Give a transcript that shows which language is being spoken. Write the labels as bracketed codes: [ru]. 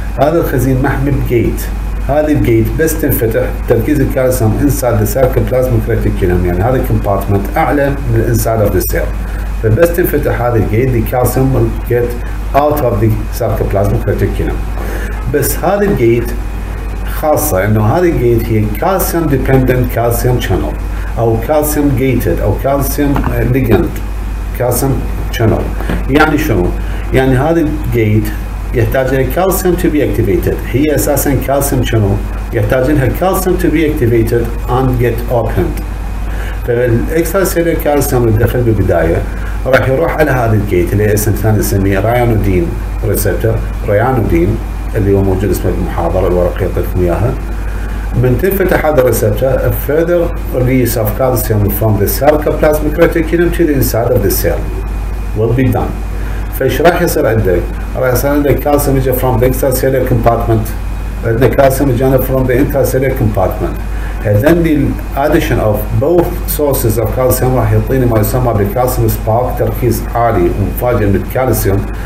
[ar] هذا الخزين محمي بجيت، هذه الجيت بس تنفتح تركيز الكالسيوم [en] inside the sarcoplasmic reticulum، [ar] يعني هذا compartment اعلى من inside of the cell، فبس تنفتح هذه الجيت [en] the calcium will get out of the sarcoplasmic reticulum. [ar] بس هذه الجيت خاصة، انه هذه الجيت هي calcium dependent calcium channel او calcium gated او calcium ligand calcium channel. يعني شنو؟ يعني هذه الجيت يحتاج لها calcium to be activated، هي اساسا calcium channel يحتاج لها calcium [en] to be activated and get opened. [ar] فالاكستراسيلولار كالسيوم اللي دخل بالبدايه راح يروح على هذا الجيت اللي اسم ثاني نسميه رايانودين ريسبتر، رايانودين اللي هو موجود اسمه بالمحاضره الورقيه اعطيتكم اياها. من تنفتح هذا الريسبتر [en] a further release of calcium from the sarcoplasmic reticulum to the inside of the cell will be done. [ar] فايش راح يصير عندك؟ راح يصير عندك calcium يجي [en] from the extracellular compartment، [ar] عندك calcium يجي [en] from the intracellular compartment. And then the addition of both sources of calcium [ar] راح يعطيني ما يسمى بالكالسيوم سبارك، تركيز عالي ومفاجئ بالكالسيوم.